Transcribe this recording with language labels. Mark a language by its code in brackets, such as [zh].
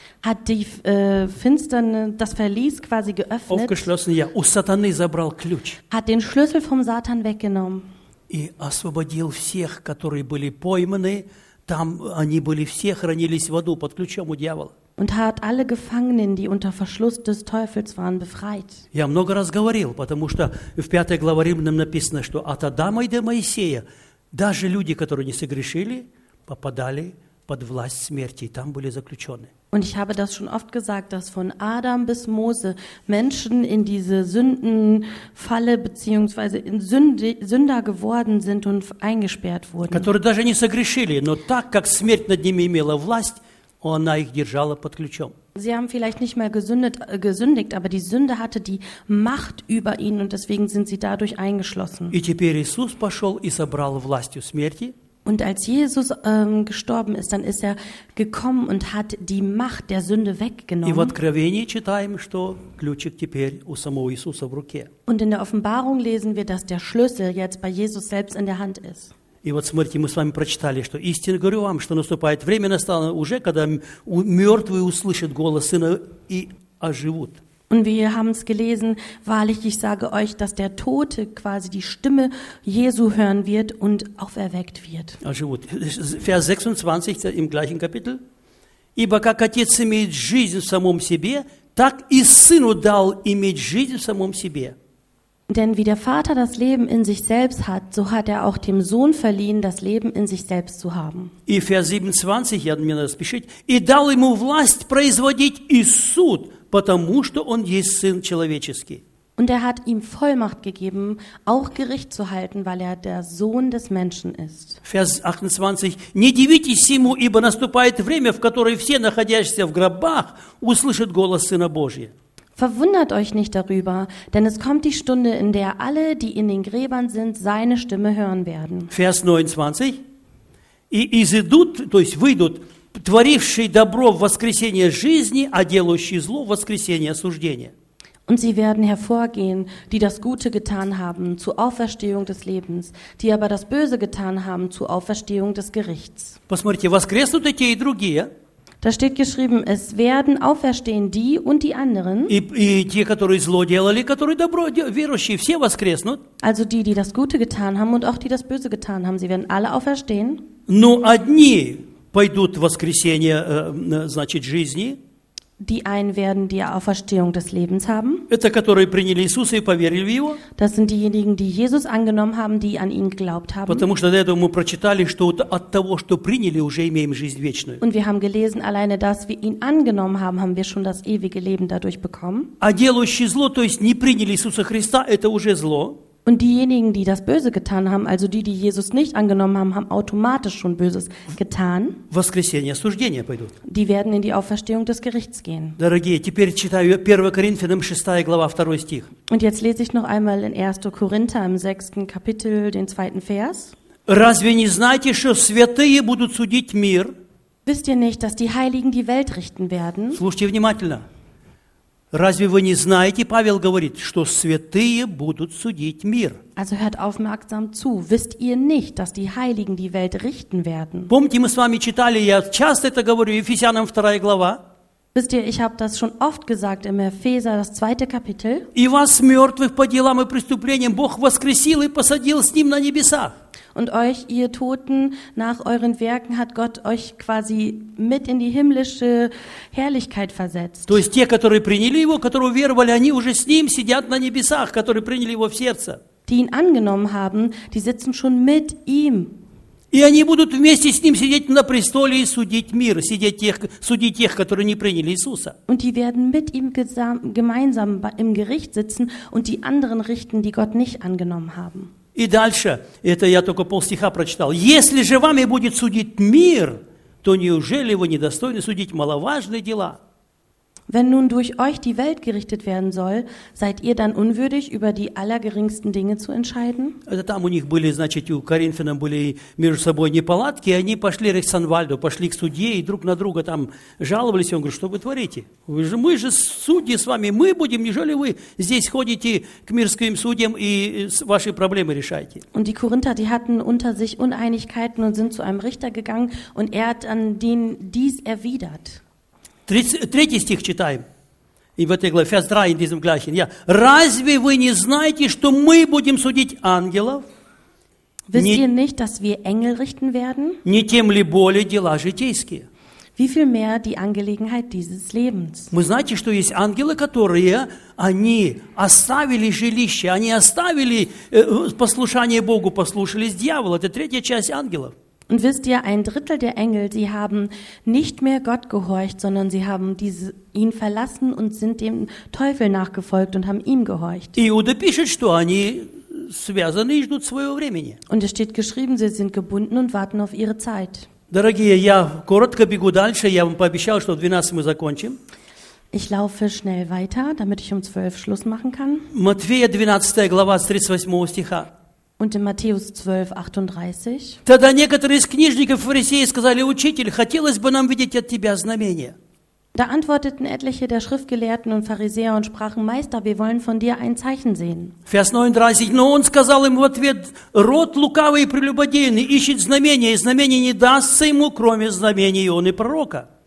[de] Hat die Finsternis, das Verlies quasi geöffnet. Aufgeschlossen, ja. [ru] У сатаны забрал ключ. [de] Hat den Schlüssel vom Satan weggenommen. [ru] И освободил всех, которые были пойманы, Там они были все, хранились в аду под ключом у дьявола. [de] Und hat alle Gefangenen, die unter Verschluss des Teufels waren, befreit. [ru] Я много раз говорил, потому что в 5 главе Римлянам написано, что от Адама и до Моисея даже люди, которые не согрешили, попадали под власть смерти, и там были заключены. [de] Und ich habe das schon oft gesagt, dass von Adam bis Mose Menschen in diese Sündenfalle bzw. in Sünder geworden sind und eingesperrt wurden. [ru] Которые даже не согрешили, но так как смерть над ними имела власть, она их держала под ключом. [de] Sie haben vielleicht nicht mal gesündigt, aber die Sünde hatte die Macht über ihnen und deswegen sind sie dadurch eingeschlossen. [ru] И теперь Иисус пошел и собрал власть у смерти. [de] Und als Jesus gestorben ist, dann ist er gekommen und hat die Macht der Sünde weggenommen. [ru] И в Откровении читаем, что ключик теперь у самого Иисуса в руке. [de] Und in der Offenbarung lesen wir, dass der Schlüssel jetzt bei Jesus selbst in der Hand ist. [ru] И вот смотрите, мы с вами прочитали, что истинно говорю вам, что наступает время, настало уже, когда мертвые услышат голос Сына и оживут. [de] Und wir haben es gelesen, wahrlich, ich sage euch, dass der Tote quasi die Stimme Jesu hören wird und auferweckt wird. Also gut, Vers 26 im gleichen Kapitel. [ru] Ибо как отец имеет жизнь в самом себе, так и сыну дал иметь жизнь в самом себе. [de] Denn wie der Vater das Leben in sich selbst hat, so hat er auch dem Sohn verliehen, das Leben in sich selbst zu haben. [ru] И Vers 27, я мне надо спешить, и дал ему власть производить и суд, потому что он есть сын человеческий. [de] Und er hat ihm Vollmacht gegeben, auch Gericht zu halten, weil er der Sohn des Menschen ist. Vers 28. [ru] Не дивитесь сему, ибо наступает время, в которое все находящиеся в гробах услышат голос Сына Божия. [de] Verwundert euch nicht darüber, denn es kommt die Stunde, in der alle, die in den Gräbern sind, seine Stimme hören werden. Vers 29. [ru] И изыдут, то есть выйдут, творивший добро в воскресение жизни, а делающий зло в воскресение осуждения. [de] Und sie werden hervorgehen, die das Gute getan haben zur Auferstehung des Lebens, die aber das Böse getan haben zur Auferstehung des Gerichts. [ru] Посмотрите, воскреснут и те, и другие. [de] Da steht geschrieben, es werden auferstehen die und die anderen. [ru] И те, которые зло делали, которые добро делали, верующие, все воскреснут. [de] Also die, die das Gute getan haben und auch die, das Böse getan haben, sie werden alle auferstehen. [ru] Но одни пойдут в воскресение, значит, жизни. [de] Die einen werden die Auferstehung des Lebens haben. [ru] Это которые приняли Иисуса и поверили в Его. [de] Das sind diejenigen, die Jesus angenommen haben, die an ihn geglaubt haben. [ru] Потому что до этого мы прочитали, что от того, что приняли, уже имеем жизнь вечную. [de] Und wir haben gelesen, alleine dass wir ihn angenommen haben, haben wir schon das ewige Leben dadurch bekommen. [ru] А делающие зло, то есть не приняли Иисуса Христа, это уже зло. [de] Und diejenigen, die das Böse getan haben, also die, die Jesus nicht angenommen haben, haben automatisch schon Böses getan. [ru] Воскресение, осуждение пойдут. [de] Die werden in die Auferstehung des Gerichts gehen. [ru] Дорогие, теперь читаю 1 Коринфянам 6 глава 2 стих. [de] Und jetzt lese ich noch einmal in 1. Korinther im 6. Kapitel den 2. Vers. [ru] Разве не знаете, что святые будут судить мир? [de] Wisst ihr nicht, dass die Heiligen die Welt richten werden? [ru] Слушайте внимательно. Разве вы не знаете, Павел говорит, что святые будут судить мир? [de] Also hört aufmerksam zu. Wisst ihr nicht, dass die Heiligen die Welt richten werden? [ru] Помните, мы с вами читали, я часто это говорю, Ефесянам 2 глава. [de] Wisst ihr, ich habe das schon oft gesagt im Epheser, das 2. Kapitel. [ru] И вас, мертвых по делам и преступлениям, Бог воскресил и посадил с ним на небесах. [de] Und euch, ihr Toten, nach euren Werken hat Gott euch quasi mit in die himmlische Herrlichkeit versetzt. [ru] То есть те, которые приняли его, которые веровали, они уже с ним сидят на небесах, которые приняли его в сердце. [de] Die ihn angenommen haben, die sitzen schon mit ihm. [ru] И они будут вместе с ним сидеть на престоле и судить мир, судить тех, которые не приняли Иисуса. [de] Und die werden mit ihm gemeinsam im Gericht sitzen und die anderen richten, die Gott nicht angenommen haben. [ru] И дальше, это я только полстиха прочитал. Если же вами будет судить мир, то неужели вы недостойны судить маловажные дела? [de] Wenn nun durch euch die Welt gerichtet werden soll, seid ihr dann unwürdig, über die allergeringsten Dinge zu entscheiden? [ru] Это там у них были, значит, у Коринфян были между собой неполадки, и они пошли к Александвальду, пошли к судье, и друг на друга там жаловались, и он говорит, что вы творите? Вы же, мы же судьи с вами, мы будем, неужели вы здесь ходите к мирским судьям и ваши проблемы решаете? [de] Und die Korinther, die hatten unter sich Uneinigkeiten und sind zu einem Richter gegangen, und hat an den dies erwidert. [ru] Третий стих читаем. И в этой главе, Фестра, и Дизм Гляхин. Разве вы не знаете, что мы будем судить ангелов? [de] Wisst ihr nicht, dass wir Engel richten werden? [ru] Не тем ли более дела житейские? [de] Wie viel mehr die Angelegenheit dieses Lebens? [ru] Вы знаете, что есть ангелы, которые они оставили жилище, они оставили послушание Богу, послушались дьяволу. Это третья часть ангелов. [de] Und wisst ihr, ein Drittel der Engel, sie haben nicht mehr Gott gehorcht, sondern sie haben ihn verlassen und sind dem Teufel nachgefolgt und haben ihm gehorcht. [ru] Иуда пишет, что они связаны и ждут своего времени. [de] Und es steht geschrieben, sie sind gebunden und warten auf ihre Zeit. [ru] Дорогие, я коротко бегу дальше, я вам пообещал, что в 12 мы закончим. [de] Ich laufe schnell weiter, damit ich um 12 Schluss machen kann. [ru] Матфея 12 глава с 38 стиха. [de] Und in Matthäus 12, 38. [ru] Тогда некоторые из книжников и фарисеев сказали: «Учитель, хотелось бы нам видеть от тебя знамение». [de] Da antworteten etliche der Schriftgelehrten und Pharisäer und sprachen: «Meister, wir wollen von dir ein Zeichen sehen». Vers 39. [ru] Но он сказал им в ответ: «Род лукавый и прелюбодейный ищет знамение, и знамение не дастся ему, кроме знамения Ионы пророка».